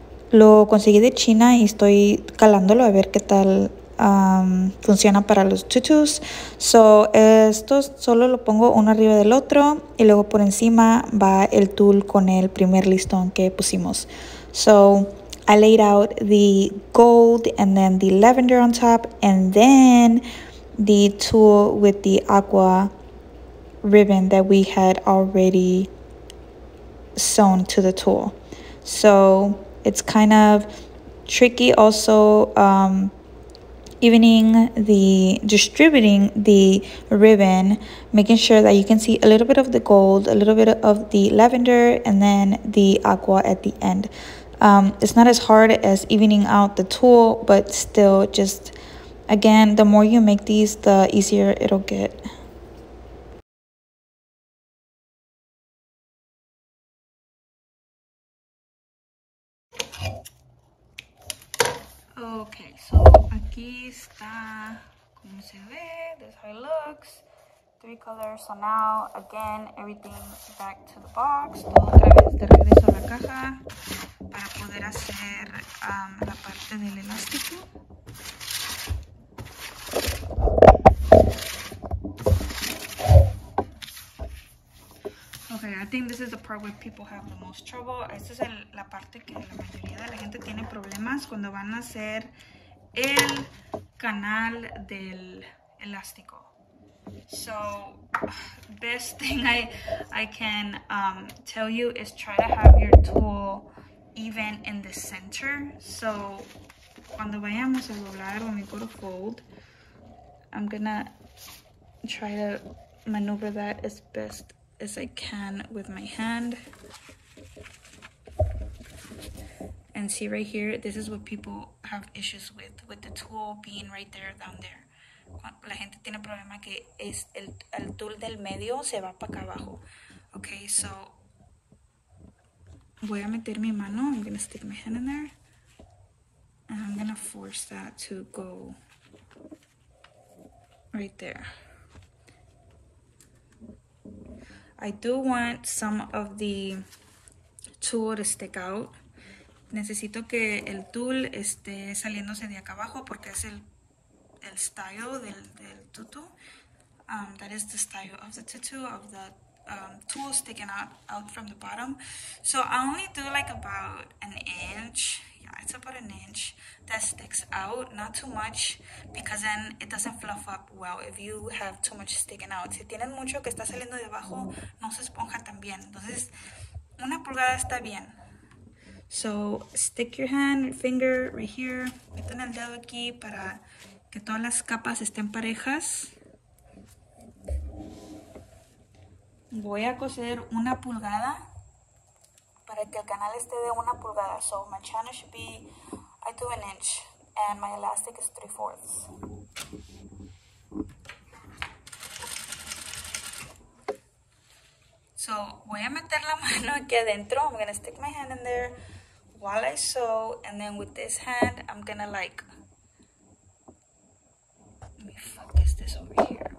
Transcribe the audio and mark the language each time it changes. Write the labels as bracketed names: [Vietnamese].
[Spanish] Lo conseguí de China y estoy calándolo a ver qué tal funciona para los tutus. So estos solo lo pongo uno arriba del otro y luego por encima va el tul con el primer listón que pusimos. [English] So I laid out the gold and then the lavender on top and then the tul with the aqua ribbon that we had already sewn to the tul. So it's kind of tricky also evening the distributing the ribbon, making sure that you can see a little bit of the gold, a little bit of the lavender, and then the aqua at the end. It's not as hard as evening out the tulle, but still, just again, the more you make these, the easier it'll get. Okay, so [Spanish] aquí está como se ve, [English] this is how it looks. Three colors. So now again, everything back to the box. [Spanish] Todo otra vez de regreso a la caja para poder hacer la parte del elástico. [English] Okay, I think this is the part where people have the most trouble. [Spanish] Esta es la parte que la mayoría de la gente tiene problemas cuando van a hacer el canal del elástico. [English] So, best thing I can tell you is try to have your tool even in the center. So, [Spanish] cuando vayamos a doblar, [English] when we go to fold, I'm gonna try to maneuver that as best as I can with my hand. And see right here, this is what people have issues with the tool being right there, down there. [Spanish] La gente tiene problema que es el tool del medio se va para acá abajo. Okay, so voy a meter mi mano. [English] I'm gonna stick my hand in there. And I'm gonna force that to go right there. I do want some of the tool to stick out. [Spanish] Necesito que el tool esté saliéndose de acá abajo porque es el style del tutu. [English] That is the style of the tutu, of the tool sticking out from the bottom. So I only do like about an inch. Yeah, it's about an inch that sticks out, not too much, because then it doesn't fluff up well if you have too much sticking out. [Spanish] Si tienen mucho que está saliendo de abajo, no se esponja tan bien. Entonces, una pulgada está bien. [English] So, stick your hand, your finger right here. [Spanish] Meten el dedo aquí para que todas las capas estén parejas. Voy a coser una pulgada para que el canal esté de una pulgada. [English] So, my channel should be, I do an inch, and my elastic is 3/4. [Spanish] So, voy a meter la mano aquí adentro. [English] I'm gonna stick my hand in there while I sew, and then with this hand, I'm gonna like, let me focus this over here.